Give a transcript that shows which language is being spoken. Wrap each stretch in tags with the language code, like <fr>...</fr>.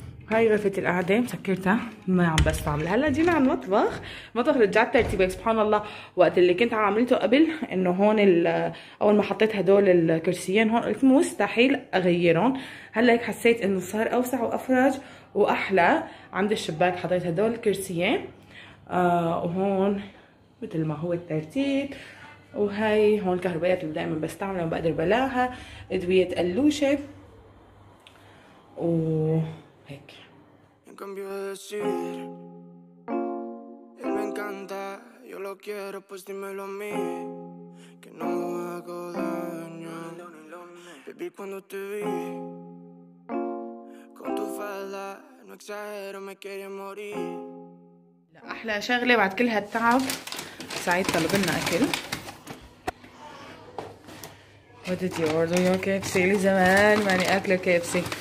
<ar>هاي غرفة القعدة مسكرتها ما عم بستعملها. هلا جينا على المطبخ، مطبخ رجعت ترتيبه سبحان الله، وقت اللي كنت عاملته قبل انه هون اول ما حطيت هدول الكرسيين هون قلت مستحيل اغيرهم، هلا هيك حسيت انه صار اوسع وافرج واحلى. عند الشباك حطيت هدول الكرسيين، وهون مثل ما هو الترتيب، وهي هون الكهربائيات اللي دائما بستعملها ما بقدر بلاها، ادوية قلوشة و</ar> <es>Me cambió de decir, él me encanta, yo lo quiero, pues dímelo a mí, que no hago daño. Baby, cuando te vi, con tu falda, no exagero, me quería morir. La</es> <ar>أحلى شغلة بعد كل هالتعب، سعيد طلب لنا أكل.</ar> <en>What did you order your KFC؟</en> <ar>لي زمان ماني أكل</ar> <en>KFC.</en>